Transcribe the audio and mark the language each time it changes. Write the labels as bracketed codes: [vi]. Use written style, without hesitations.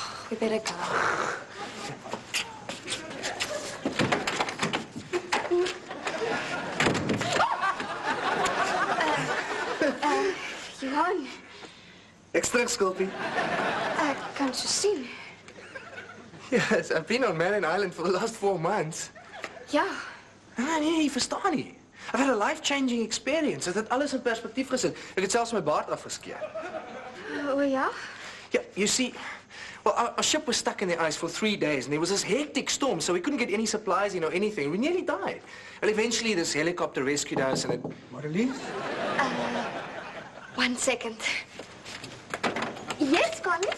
[en] We better go. Johan. Extra Scorpion. Can't you see me? Yes, I've been on Manning Island for the last 4 months. Yeah. [af] Nee, verstaan nie. [en] I've had a life-changing experience. [af] Het het alles in perspectief gezet. Ik het zelfs mijn baard afgeskeer. Oh, ja? [en] Ja, you see, well, our ship was stuck in the ice for 3 days, and there was this hectic storm, so we couldn't get any supplies, you know, anything. We nearly died. Well, eventually, this helicopter rescued us, and it... Marilise? One second. Yes, Colin?